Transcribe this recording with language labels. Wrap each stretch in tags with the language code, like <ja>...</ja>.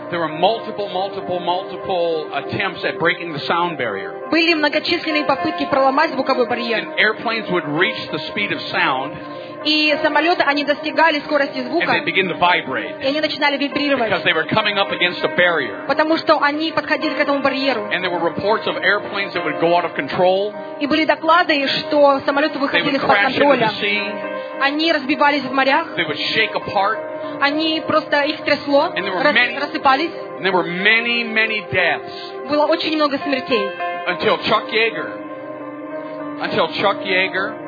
<en>There were multiple attempts at breaking the sound barrier.</en> <ru>Были многочисленные попытки проломать звуковой барьер.</ru> <en>And airplanes would reach the speed of sound.</en> <ru>И самолеты, они достигали скорости звука.</ru> <en>And they begin to vibrate.</en> <ru>И они начинали вибрировать.</ru> <en>Because they were coming up against a barrier.</en> <ru>Потому что они подходили к этому барьеру.</ru> <en>And there were reports of airplanes that would go out of control.</en> <ru>И были доклады, что самолеты выходили из-под контроля. Они разбивались в морях.</ru> <en>They would shake apart.</en> <ru>Они просто их трясло, рассыпались.</ru> <en>There were many deaths.</en> <ru>Было очень много смертей.</ru> <en>Until Chuck Yeager.</en>